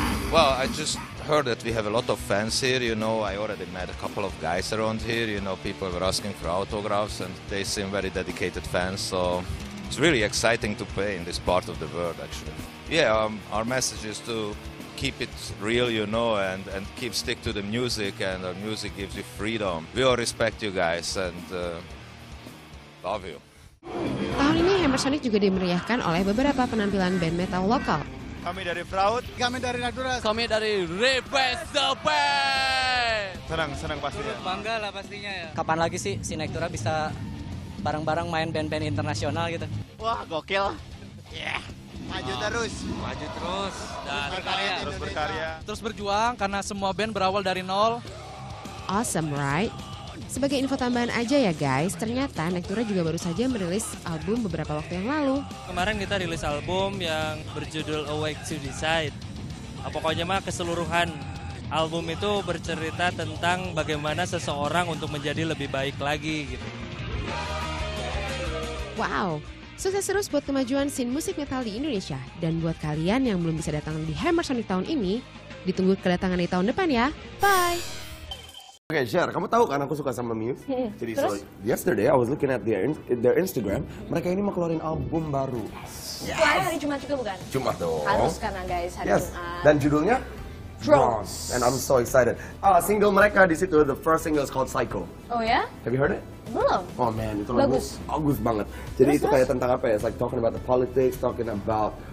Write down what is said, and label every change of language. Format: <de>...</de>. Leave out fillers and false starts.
<en>Well, I just heard that we have a lot of fans here, you know. I already met a couple of guys around here, you know, people were asking for autographs and they seem very dedicated fans, so it's really exciting to play in this part of the world, actually. Yeah, our message is to keep it real, you know, and keep stick to the music, and our music gives you freedom. We all respect you guys and love you.</en> <id>Tahun ini Hammer Sonic juga dimeriahkan oleh beberapa penampilan band metal lokal. Kami dari Fraud. Kami dari Naduras. Kami dari Rebest The Band. Senang pastinya. Bangga lah pastinya ya. Kapan lagi sih si Naktura bisa bareng-bareng main band-band internasional gitu? Wah, gokil. Yeah. Maju terus. Maju terus. Dan terus berkarya. Terus berjuang karena semua band berawal dari nol.</id> <en>Awesome, right?</en> <id>Sebagai info tambahan aja ya guys, ternyata Naktura juga baru saja merilis album beberapa waktu yang lalu. Kemarin kita rilis album yang berjudul Awake to Decide. Pokoknya mah keseluruhan album itu bercerita tentang bagaimana seseorang untuk menjadi lebih baik lagi gitu. Wow, sukses terus buat kemajuan scene musik metal di Indonesia. Dan buat kalian yang belum bisa datang di Hammer Sonic tahun ini, ditunggu kedatangan di tahun depan ya.</id> <en>Bye! Oke, okay, share.</en> <id>Kamu tahu kan aku suka sama Muse? Jadi, terus?</id> <en>So, yesterday I was looking at their Instagram.</en> <id>Mereka ini mau keluarin album baru. Yes. Yes. Hari Jumat juga bukan? Jumat dong. Harus karena guys, hari Jumat. Dan judulnya?</id> <en>Drones. And I'm so excited. Single mereka di situ, the first single is called Psycho. Oh yeah? Have you heard it?</en> <id>Belum.</id> <en>Oh man, itu</en> <id>bagus. Bagus banget. Jadi terus, itu kayak tentang apa ya? It's like talking about the politics, talking about...</id>